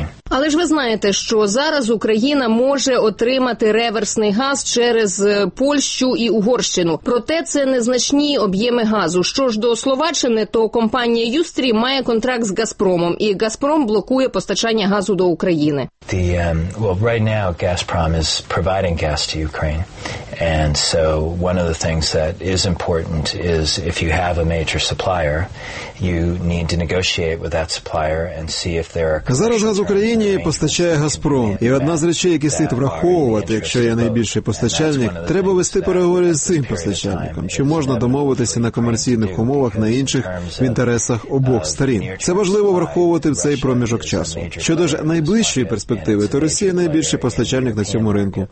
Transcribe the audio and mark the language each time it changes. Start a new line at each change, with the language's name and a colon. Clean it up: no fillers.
Ukrainian: Але ж ви знаєте, що зараз Україна може отримати реверсний газ через Польщу і Угорщину. Проте це незначні об'єми газу. Що ж до Словаччини, то компанія «Юстрі» має контракт з «Газпромом», і «Газпром» блокує постачання газу до України.
English: «Газпром» is providing gas to Ukraine. And so one of the things that is important is if you have a major supplier, you need to negotiate with that supplier and see if there are...
Ukrainian: Зараз газ Україні постачає «Газпром». І одна з речей, які слід враховувати, якщо я найбільший постачальник, треба вести переговори з цим постачальником. Чи можна домовитися на комерційних умовах, на інших, в інтересах обох сторін. Це важливо враховувати в цей проміжок часу. Щодо ж найближчої перспективи, то Росія найбільший постачальник на цьому ринку.